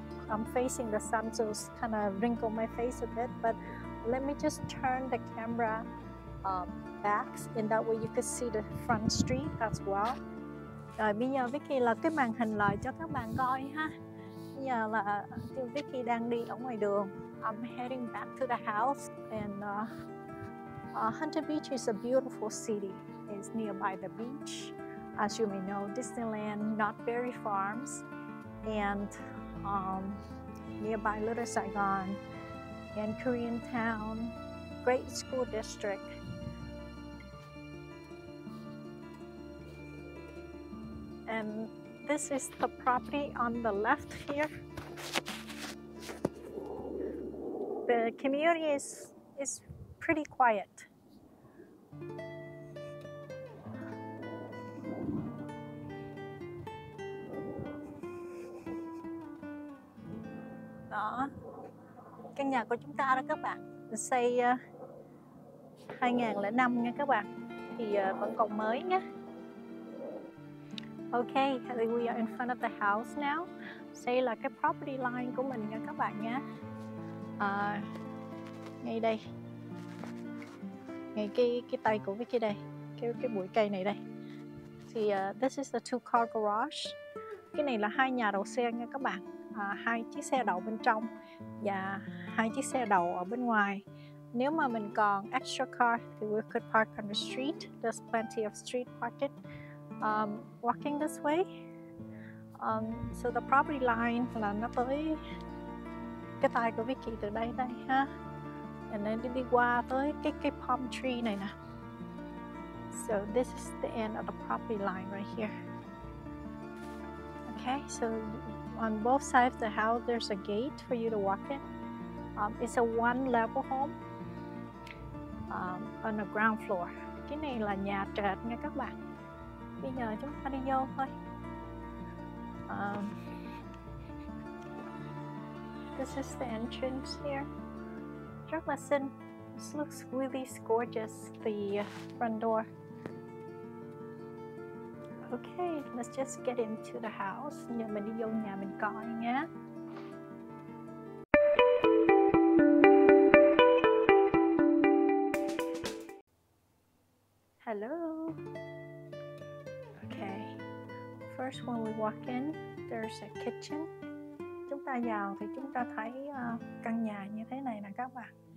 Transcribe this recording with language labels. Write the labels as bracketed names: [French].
[English] I'm facing the sun, so it's kind of wrinkled my face a bit. But let me just turn the camera back, in that way you can see the front street as well. [Vietnamese] Rồi bây giờ Vicky lật cái màn hình lại cho các bạn coi ha. Bây giờ là Vicky đang đi ở ngoài đường. [English] I'm heading back to the house. And Huntington Beach is a beautiful city. It's nearby the beach. As you may know, Disneyland, Knott berry farms. And nearby Little Saigon. And Korean town. Great school district. And this is the property on the left here. The community is pretty quiet. [Vietnamese] Đó, căn nhà của chúng ta đó các bạn, xây 2005 nha các bạn, thì vẫn còn mới nhé. [English] Okay, we are in front of the house now. [Vietnamese] Đây là cái property line của mình nha các bạn nhé. Ngay đây. Ngay cái tay của Vicky đây. Cái bụi cây này đây. Thì [English] this is the two-car garage. [Vietnamese] Cái này là hai nhà đậu xe nha các bạn. Hai chiếc xe đậu bên trong và hai chiếc xe đậu ở bên ngoài. Nếu mà mình còn [English] extra car [Vietnamese] thì [English] we could park on the street. There's plenty of street parking. Walking this way, so the property line [Vietnamese] là nó tới cái tay của Vicky từ đây đây ha, [English] and then [Vietnamese] đi qua tới cái [English] palm tree [Vietnamese] này nè. [English] So this is the end of the property line right here. Okay, so on both sides of the house there's a gate for you to walk in. It's a one level home on the ground floor. [Vietnamese] Cái này là nhà trệt nha các bạn. Bây giờ chúng ta đi vô thôi. [English] This is the entrance here. [Vietnamese] Rất là xinh. [English] This looks really gorgeous, the front door. Okay, let's just get into the house. [Vietnamese] Giờ mình đi vô nhà mình coi nhé. [English] Hello. First, when we walk in, there's a kitchen. [Vietnamese] Chúng ta vào thì chúng ta thấy căn nhà như thế này nè các bạn.